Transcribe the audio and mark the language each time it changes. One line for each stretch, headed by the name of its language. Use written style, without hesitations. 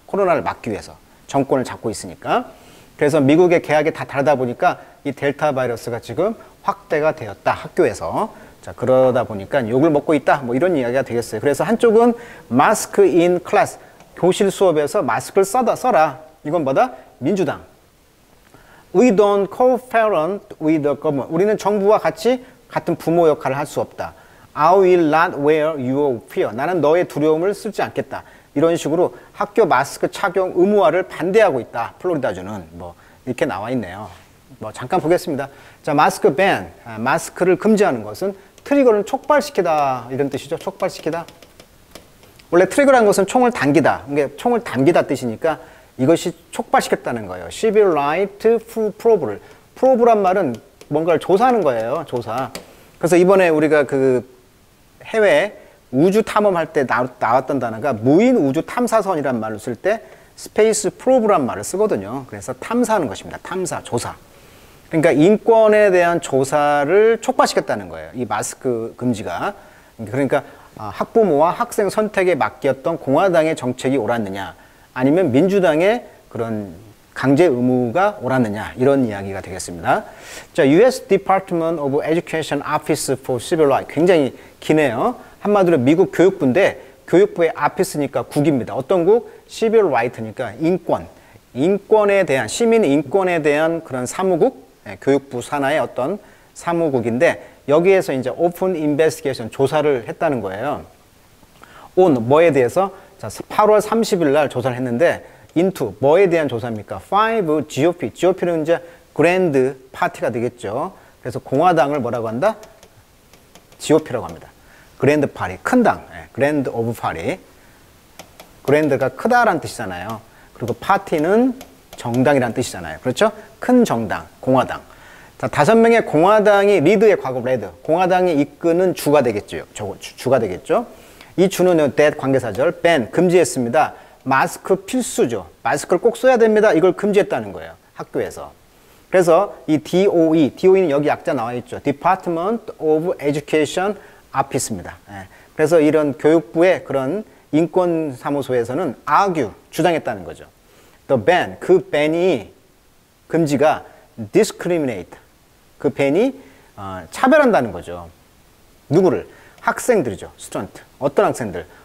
Korean: 코로나를 막기 위해서 정권을 잡고 있으니까. 그래서 미국의 계약이 다 다르다 보니까 이 델타 바이러스가 지금 확대가 되었다, 학교에서. 자, 그러다 보니까 욕을 먹고 있다, 뭐 이런 이야기가 되겠어요. 그래서 한쪽은
English: 마스크 인 클래스,
Korean: 교실 수업에서 마스크를 써라. 이건 뭐다? 민주당.
English: We don't co-parent with the government.
Korean: 우리는 정부와 같이 같은 부모 역할을 할 수 없다.
English: I will not wear your fear.
Korean: 나는 너의 두려움을 쓰지 않겠다. 이런 식으로 학교 마스크 착용 의무화를 반대하고 있다. 플로리다주는 뭐 이렇게 나와 있네요. 뭐 잠깐 보겠습니다. 자, 마스크 ban, 마스크를 금지하는 것은 트리거는 촉발시키다 이런 뜻이죠. 촉발시키다. 원래 트리거라는 것은 총을 당기다. 그러니까 총을 당기다 뜻이니까 이것이 촉발시켰다는 거예요.
English: Civil right to probe.
Korean: Probe란 말은 뭔가를 조사하는 거예요. 조사. 그래서 이번에 우리가 그 해외 우주 탐험할 때 나왔던 단어가 무인 우주 탐사선이란 말을 쓸 때 스페이스 프로브란 말을 쓰거든요. 그래서 탐사하는 것입니다. 탐사, 조사. 그러니까 인권에 대한 조사를 촉발시켰다는 거예요. 이 마스크 금지가. 그러니까 학부모와 학생 선택에 맡겼던 공화당의 정책이 옳았느냐, 아니면 민주당의 그런 강제 의무가 옳았느냐, 이런 이야기가 되겠습니다. 자,
English: US Department of Education Office for Civil Rights.
Korean: 굉장히 기네요. 한마디로 미국 교육부인데 교육부의 아피스니까 국입니다. 어떤 국? Civil Right니까 인권. 인권에 대한, 시민 인권에 대한 그런 사무국, 교육부 산하의 어떤 사무국인데 여기에서 이제
English: Open Investigation
Korean: 조사를 했다는 거예요. On 뭐에 대해서? 자, 8월 30일 날 조사를 했는데 Into 뭐에 대한 조사입니까? 5 GOP. GOP는 이제 Grand Party가 되겠죠. 그래서 공화당을 뭐라고 한다? GOP라고 합니다. 그랜드 파리, 큰 당, 그랜드 오브 파리. 그랜드가 크다라는 뜻이잖아요. 그리고 파티는 정당이라는 뜻이잖아요. 그렇죠? 큰 정당, 공화당. 자, 다섯 명의 공화당이 리드의 과거 레드, 공화당이 이끄는 주가 되겠죠. 주가 되겠죠. 이 주는 that 관계사절, ban, 금지했습니다. 마스크 필수죠. 마스크를 꼭 써야 됩니다. 이걸 금지했다는 거예요. 학교에서. 그래서 이 DOE, DOE는 여기 약자 나와 있죠.
English: Department of Education, 아피스입니다.
Korean: 예. 그래서 이런 교육부의 그런 인권사무소에서는 argue, 주장했다는 거죠.
English: The ban,
Korean: 그 ban이, 금지가 discriminate, 그 ban이 차별한다는 거죠. 누구를? 학생들이죠. student. 어떤 학생들?